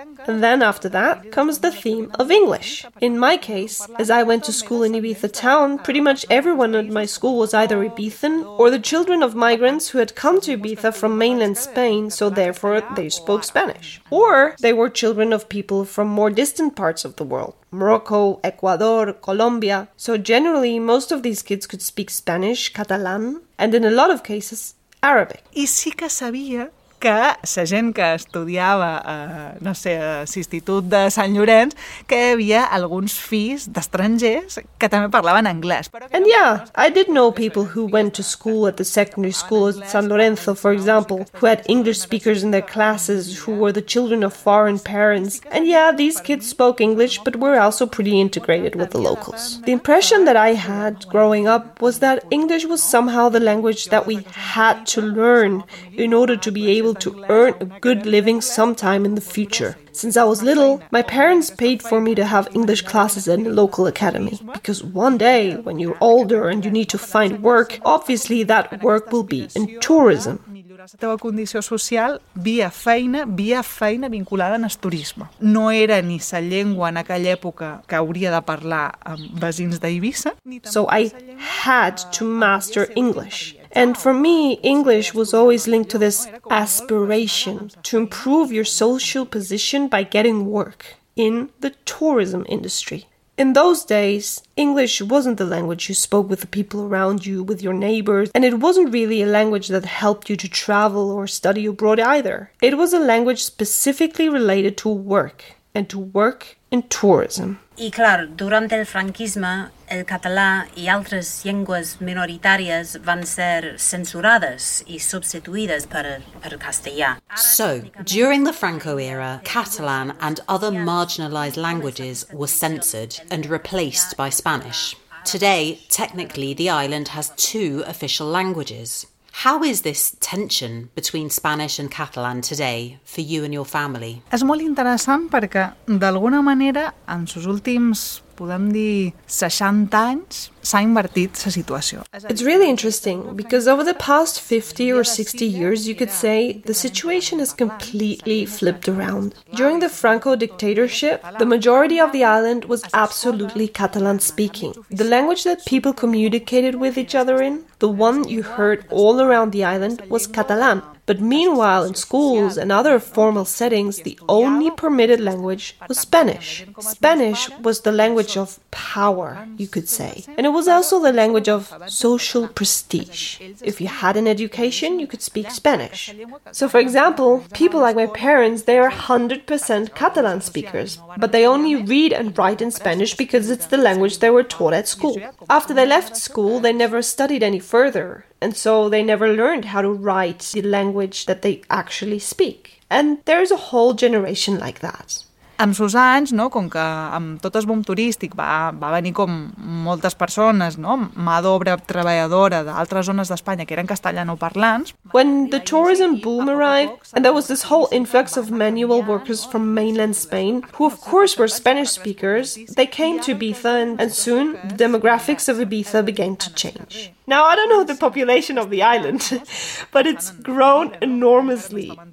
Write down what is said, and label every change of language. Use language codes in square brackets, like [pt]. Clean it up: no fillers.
[en] And then after that comes the theme of English. In my case, as I went to school in Ibiza town, pretty much everyone at my school was either Ibizan or the children of migrants who had come to Ibiza from mainland Spain, so therefore they spoke Spanish. Or they were children of people from more distant parts of the world. Morocco, Ecuador, Colombia. So generally, most of these kids could speak Spanish, Catalan, and in a lot of cases, Arabic. [ca] I sí que sabia que la gent que estudiava, no sé, a l'Institut de Sant Llorenç, que hi havia alguns fills d'estrangers que també parlaven anglès. [en] And yeah, I did know people who went to school at the secondary school at San Lorenzo, for example, who had English speakers in their classes, who were the children of foreign parents. And yeah, these kids spoke English, but were also pretty integrated with the locals. The impression that I had growing up was that English was somehow the language that we had to learn in order to be able to earn a good living sometime in the future. Since I was little, my parents paid for me to have English classes in a local academy. Because one day, when you're older and you need to find work, obviously that work will be in tourism. [ca] La teva condició social via feina vinculada al turisme. No era ni sa llengua en aquella època que hauria de parlar amb vecins d'Eivissa. [en] So I had to master English. And for me, English was always linked to this aspiration to improve your social position by getting work in the tourism industry. In those days, English wasn't the language you spoke with the people around you, with your neighbors, and it wasn't really a language that helped you to travel or study abroad either. It was a language specifically related to work, and to work in tourism. [ca] I clar, durant el franquisme, el català i altres llengües minoritàries van ser censurades i substituïdes per castellà. [en] So, during the Franco era, Catalan and other marginalized languages were censored and replaced by Spanish. Today, technically, the island has two official languages. How is this tension between Spanish and Catalan today for you and your family? [ca] És molt interessant perquè, d'alguna manera, en els últims, podem dir, 60 anys, s'ha invertit la situació. [en] It's really interesting because over the past 50 or 60 years, you could say, the situation has completely flipped around. During the Franco dictatorship, the majority of the island was absolutely Catalan-speaking. The language that people communicated with each other in, the one you heard all around the island, was Catalan. But meanwhile, in schools and other formal settings, the only permitted language was Spanish. Spanish was the language of power, you could say. And it was also the language of social prestige. If you had an education, you could speak Spanish. So for example, people like my parents, they are 100% Catalan speakers, but they only read and write in Spanish because it's the language they were taught at school. After they left school, they never studied any further. And so they never learned how to write the language that they actually speak. And there's a whole generation like that. [ca] Amb seus anys, no, com que amb tot el boom turístic va venir com moltes persones, no, mà d'obra treballadora d'altres zones d'Espanya que eren castellanoparlants. [en] When the tourism boom arrived and there was this whole influx of manual workers from mainland Spain, who of course were Spanish speakers, they came to Ibiza and soon the demographics of Ibiza began to change. Now, I don't know the population of the island, but it's grown enormously.